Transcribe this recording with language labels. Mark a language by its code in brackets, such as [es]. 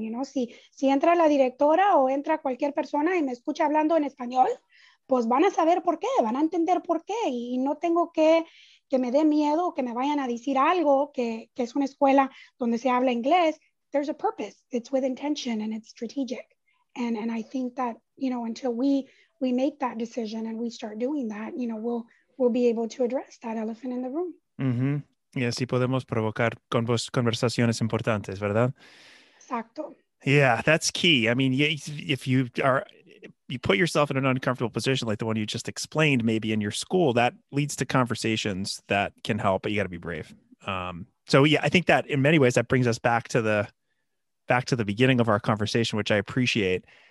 [en] You know, [es] si entra la directora o entra cualquier persona y me escucha hablando en español, pues van a saber por qué, van a entender por qué. Y no tengo que me dé miedo que me vayan a decir algo que es una escuela donde se habla inglés. [en] There's a purpose. It's with intention and it's strategic. And I think that, you know, until we make that decision and we start doing that, you know, we'll be able to address that elephant in the room. Mm-hmm. [es] Y así podemos provocar conversaciones importantes, ¿verdad? Exacto. [en] Yeah, that's key. I mean, if you are, you put yourself in an uncomfortable position like the one you just explained, maybe in your school, that leads to conversations that can help, but you got to be brave. So yeah, I think that in many ways that brings us back to the beginning of our conversation, which I appreciate.